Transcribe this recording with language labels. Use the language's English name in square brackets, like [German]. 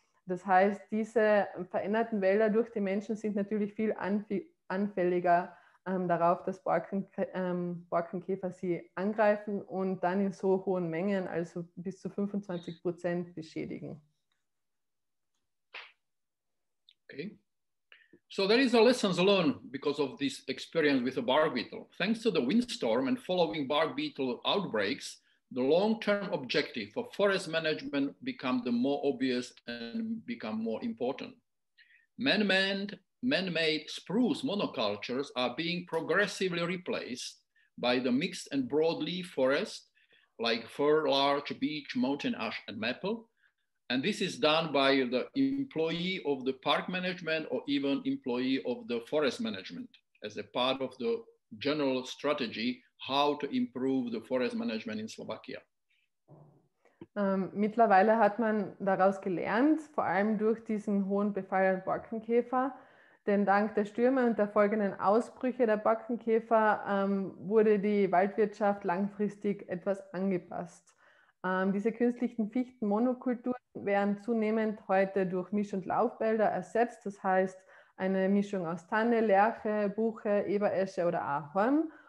[German] Das heißt, diese veränderten Wälder durch die Menschen sind natürlich viel anfälliger darauf, dass Borkenkäfer sie angreifen und dann in so hohen Mengen, also bis zu 25%, beschädigen. [English] Okay. So there is a lessons learned because of this experience with the bark beetle. Thanks to the windstorm and following bark beetle outbreaks, the long-term objective for forest management become the more obvious and become more important. Man-made spruce monocultures are being progressively replaced by the mixed and broadleaf forest like fir, larch, beech, mountain ash, and maple. And this is done by the employee of the park management or even employee of the forest management as a part of the general strategy how to improve the forest management in Slovakia. [German] Mittlerweile hat man daraus gelernt, vor allem durch diesen hohen Befall an Borkenkäfer, denn dank der Stürme und der folgenden Ausbrüche der Borkenkäfer wurde die Waldwirtschaft langfristig etwas angepasst. Diese künstlichen Fichtenmonokulturen werden zunehmend heute durch Misch- und Laubwälder ersetzt, das heißt eine Mischung aus Tanne, Lärche, Buche, Eberesche oder Ahorn.